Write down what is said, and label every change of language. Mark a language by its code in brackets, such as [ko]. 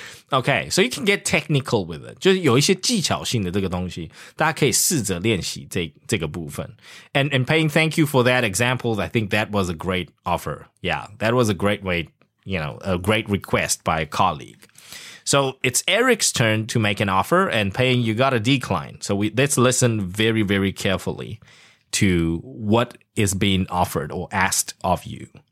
[en] Okay, so you can get technical with it. [zh] 就是有一些技巧性的这个东西，大家可以试着练习这个部分。 [en] And Payne, thank you for that example. I think that was a great offer. Yeah, that was a great way, you know, a great request by a colleague. So it's Eric's turn to make an offer, and Payne, you got a decline. So let's listen very, very carefully. To what is being offered or asked of you.